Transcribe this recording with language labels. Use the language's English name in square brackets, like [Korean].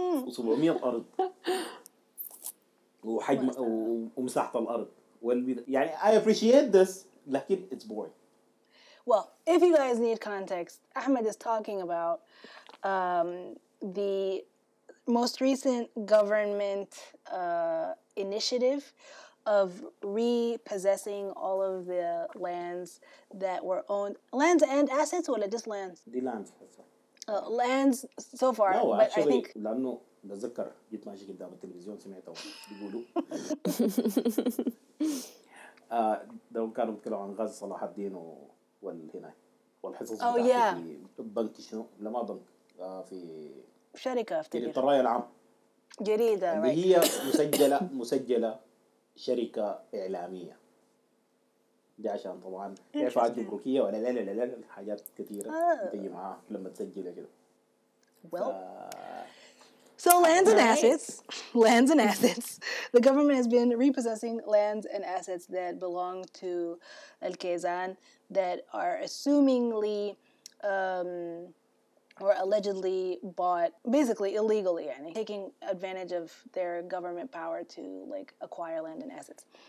[Arabic] و700 أرض وحجم ومساحة الأرض يعني [English] I appreciate this [Arabic] لكن [English] it's boring. Well, if you guys need context, Ahmed is talking about the most recent government initiative of repossessing all of the lands that were owned, lands and assets ولا just lands? The lands. Lands so far, no, but actually, I think. [Arabic] No, لأنه بذكر جيت ماشي قدام التلفزيون سمعته بيقولوا. ده كانوا بيتكلموا عن غاز صلاح الدين والهنا والحصص بتاعه في البنك شنو لما بنك في. شركة في. جريدة الرأي العام. جريدة. اللي هي مسجلة شركة إعلامية. دي عشان طبعاً إعفاءات جمركية ولا لا لا لا لا حاجات كثيرة تيجي معاه لما تسجل كده. [English] So lands and assets, lands and assets. The government has been repossessing lands and assets that belong to Al Khaizan that are assumingly or allegedly bought, basically illegally, يعني, taking advantage of their government power to like acquire land and assets.